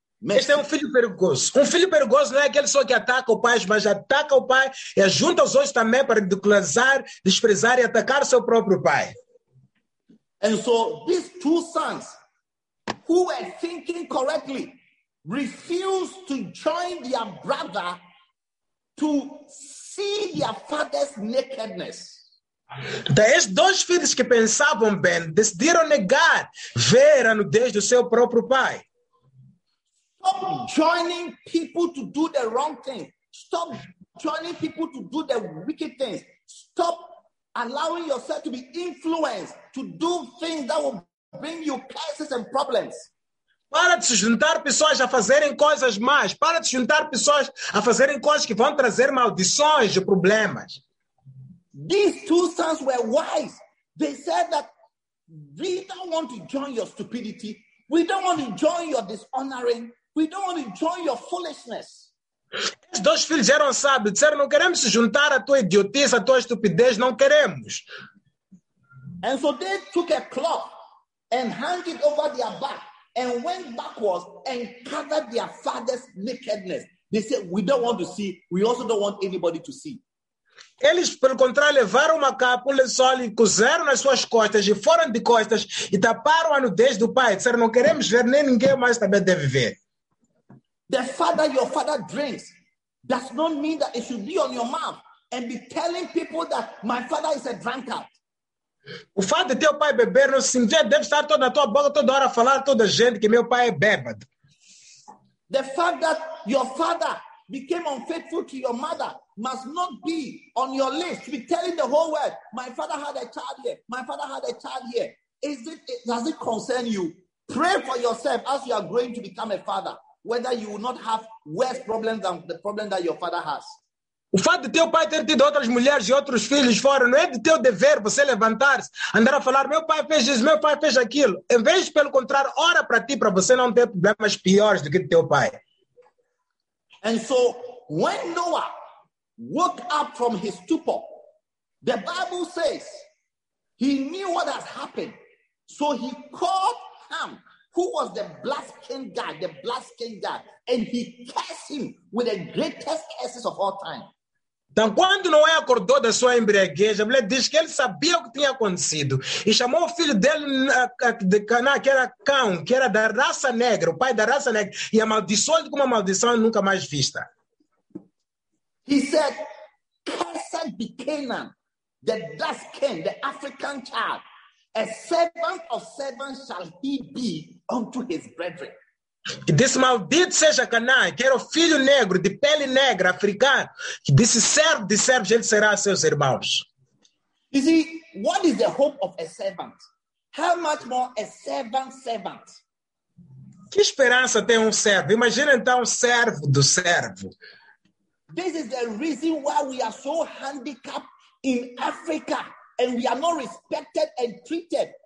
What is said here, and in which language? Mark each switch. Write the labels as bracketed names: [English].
[Portuguese] Este é um filho perigoso. Um filho perigoso não é aquele só que ataca o pai, mas ataca o pai e junta os outros também para ridicularizar, desprezar e atacar seu próprio pai. [English] And so these two sons, who were thinking correctly, refused to join their brother to see their father's nakedness. [Portuguese] Então, estes dois filhos que pensavam bem decidiram negar ver a nudez do seu próprio pai. [English] Stop joining people to do the wrong thing. Stop joining people to do the wicked things. Stop allowing yourself to be influenced to do things that will bring you curses and problems. [Portuguese] Para de se juntar pessoas a fazerem coisas más. Para de se juntar pessoas a fazerem coisas que vão trazer maldições e problemas. [English] These two sons were wise. They said that we don't want to join your stupidity. We don't want to join your dishonoring. We don't want to join your foolishness. [Portuguese] Esses dois filhos eram sábios. Disseram, não queremos se juntar à tua idiotice, à tua estupidez. Não queremos. [English] And so they took a cloth and hung it over their back and went backwards and covered their father's nakedness. They said, we don't want to see. We also don't want anybody to see. [Portuguese] Eles, pelo contrário, levaram uma capa, um lençol e cozeram nas suas costas e foram de costas e taparam a nudez do pai. Disseram, não queremos ver, nem ninguém mais também deve ver. [English] The father your father drinks does not mean that it should be on your mouth and be telling people that my father is a drunkard. [Portuguese] O fato de teu pai beber não significa deve estar toda na tua boca toda hora a falar a toda gente que meu pai é bêbado. [English] The fact that your father became unfaithful to your mother must not be on your list to be telling the whole world, my father had a child here, my father had a child here. Is it, does it concern you? Pray for yourself as you are growing to become a father, whether you will not have worse problems than the problem that your father has. [Portuguese] O fato de teu pai ter tido outras mulheres e outros filhos fora não é de teu dever você levantar-se, andar a falar, meu pai fez isso, meu pai fez aquilo. Em vez de, pelo contrário, ora para ti, para você não ter problemas piores do que teu pai. [English] And so, when Noah woke up from his stupor, the Bible says he knew what has happened. So he called Ham, who was the blasphemed guy, and he cursed him with the greatest curses of all time. [Portuguese] Então, quando Noé acordou da sua embriaguez, a mulher diz que ele sabia o que tinha acontecido e chamou o filho dele de Caná, que era cão, que era da raça negra, o pai da raça negra, e amaldiçoou-lhe com uma maldição nunca mais vista. [English] He said, cursed be Canaan, the dust king, the African child. A servant of servants shall he be unto his brethren. [Portuguese] Que disse, maldito seja Caná, que era o filho negro, de pele negra, africano, que disse, servo de servos, ele será a seus irmãos. [English] You see, what is the hope of a servant? How much more a servant? [Portuguese] Que esperança tem um servo? Imagina então, servo do servo. [English] This is the reason why we are so handicapped in Africa, and we are not respected and treated.